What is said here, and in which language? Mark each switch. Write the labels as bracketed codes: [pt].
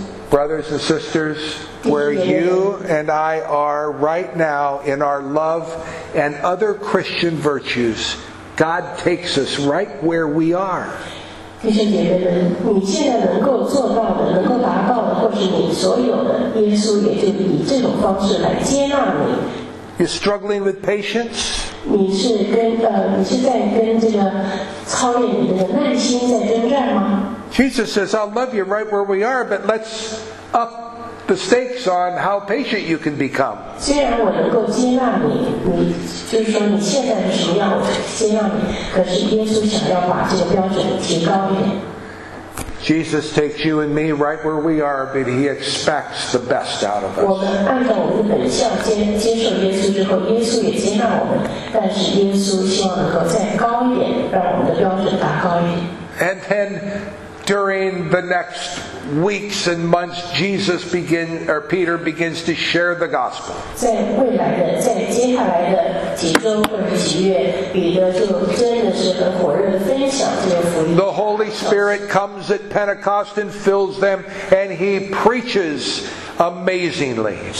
[en] Brothers and sisters, where you and I are right now in our love and other Christian virtues,God takes us right where we are. [zh] 弟兄姐妹们，你现在能够做到的、能够达到的，或是你所有的，耶稣也就以这种方式来接纳你。 [en] You're struggling with patience. [zh] 你是跟你是在跟这个操练你的耐心在征战吗 [en] ？Jesus says, "I'll love you right where we are, but let's up." The stakes on how patient you can become. [zh] 虽然我能够接纳你，你就是说你现在的什么样，我接纳你。可是耶稣想要把这个标准提高一点。 [en] Jesus takes you and me right where we are, but he expects the best out of us. [zh] 我们按照我们的本相接受耶稣之后，耶稣也接纳我们。但是耶稣希望能够再高一点，让我们的标准达高一点。 [en] And then. during the next weeks and months, Peter begins to share the gospel. The Holy Spirit comes at Pentecost and fills them, and he preaches amazingly.